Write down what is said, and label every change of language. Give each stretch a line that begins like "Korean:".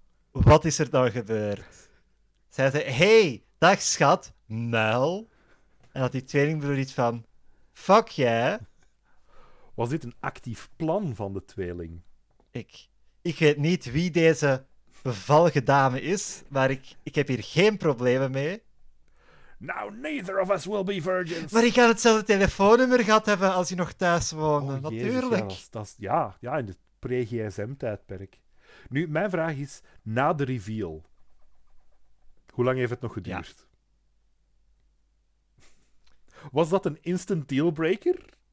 Dutch: Wat is er dan gebeurd? Zij zei, hey, dag schat, muil. En had die tweelingbroer iets van, fuck jij. Was dit een actief plan van de tweeling? Ik weet niet wie deze bevallige dame is, maar ik heb hier geen problemen mee.
English: Now neither of us will be virgins.
Dutch: Maar ik ga hetzelfde telefoonnummer gehad hebben als je nog thuis woonde. Oh, natuurlijk. Jezus, ja, in het pre-GSM-tijdperk. Nu, mijn vraag is, na de reveal, hoe lang heeft het nog geduurd? Ja. Was dat een instant dealbreaker?